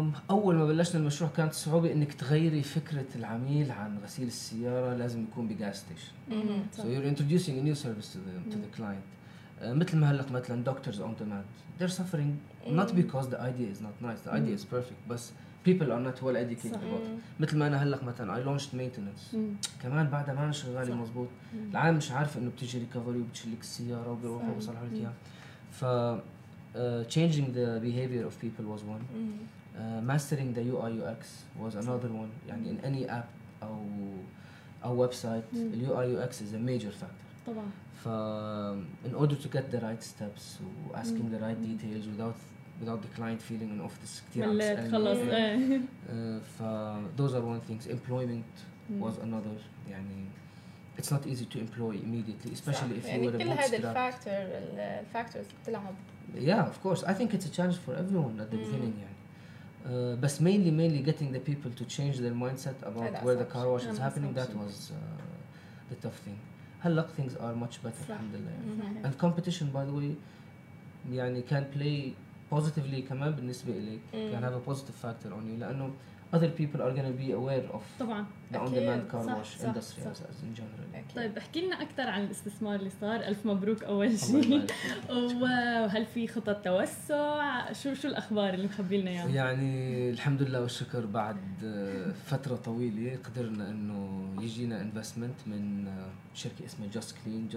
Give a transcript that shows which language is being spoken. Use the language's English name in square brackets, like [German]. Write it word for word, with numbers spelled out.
[Arabic] أول ما بلشنا المشروع كانت صعوبة إنك تغيري فكرة العميل عن غسيل السيارة لازم يكون بجاز ستيشن. [English] So you're introducing a new service to the to the client. [Arabic] مثل ما هلق مثلا [English] doctors on demand, they're suffering not because the idea is not nice, the idea is perfect, [Arabic] بس [English] people are not well educated about it. [Arabic] مثل ما أنا هلق مثلا [English] I launched maintenance, [Arabic] كمان بعدها ما أنا شغالي مظبوط, العالم مش عارف إنه بتجي recovery وبتشيلك السيارة وبيروحوا وبيصلحوا لك إياها. [English] ف Uh, changing the behavior of people was one. Mm-hmm. Uh, mastering the U I U X was another one. يعني in any app أو أو website, mm-hmm. U I U X is a major factor. [Arabic] طبعا. [English] ف in order to get the right steps, و asking mm-hmm. the right details without without the client feeling an office [Arabic] كتير عم تسألني. خلص. [English] uh, ف those are one things. Employment mm-hmm. was another. يعني it's not easy to employ immediately, especially if [Arabic] يعني [English] you were a bootstrap. [Arabic] يعني كل هذا الfactor factors بتلعب. [English] Yeah, of course. I think it's a challenge for everyone at the mm. beginning, يعني. Uh, but mainly, mainly getting the people to change their mindset about where the car wash is happening. That was uh, the tough thing. هلق things are much better, alhamdulillah. Mm-hmm. And competition, by the way, يعني can play positively [Arabic] كمان بالنسبة إليك. [English] Mm. Can have a positive factor on you, [Arabic] لأنه [English] other people are going to be aware of [Arabic] طبعاً. [English] the on-demand car wash industry as, as in general. [Arabic] أكيد. طيب احكي لنا أكثر عن الاستثمار اللي صار. ألف مبروك أول شيء. وهل في خطط توسع؟ شو شو الأخبار اللي مخبي لنا يعني؟ يعني الحمد لله والشكر بعد فترة طويلة قدرنا إنه يجينا investment من شركة اسمها Just Clean.